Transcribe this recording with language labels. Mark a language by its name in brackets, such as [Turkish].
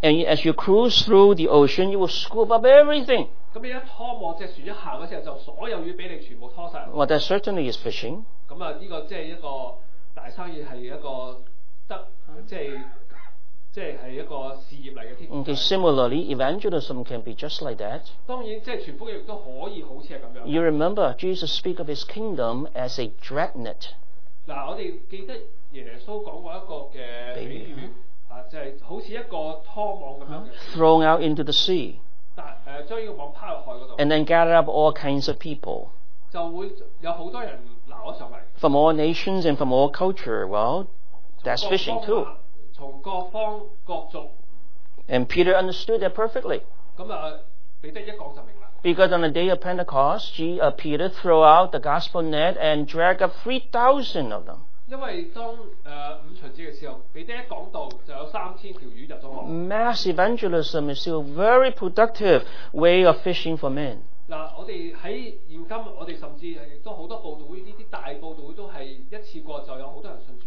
[English] And as you cruise through the ocean, you will scoop up everything。 [Cantonese] 咁你一拖網，隻船一行嘅時候，就所有魚俾你全部拖曬。 [English] Well, that certainly is fishing。 [Cantonese] 咁啊，呢個即係一個大生意，係一個得即係一個事業嚟嘅。 [English] Okay, similarly, evangelism can be just like that. [Cantonese] 當然，即係傳福音亦都可以好似係咁樣。 [English] You remember Jesus speak of his kingdom as a dragnet. [Cantonese] 嗱，我哋記得耶穌講過一個嘅比喻，就係好似一個拖網咁樣。 [English] Thrown out into the sea. [Cantonese] 將呢個網拋入海嗰度。 [English] And then gather up all kinds of people. [Cantonese] 就會有好多人撈上嚟。 [English] From all nations and from all culture, well, that's fishing too. [Cantonese] 各方各族 [English] and Peter understood that perfectly. [Cantonese] 咁啊，彼得一講就明啦。 [English] Because on the day of Pentecost, Peter threw out the gospel net and dragged up 3,000 of them. [Cantonese] 因為當五旬節嘅時候，彼得一講到就有3,000條魚入咗網。 [English] Mass evangelism is still a very productive way of fishing for men. [Cantonese] 嗱，我哋喺現今，我哋甚至都好多報道會，呢啲大報道會都係一次過就有好多人信。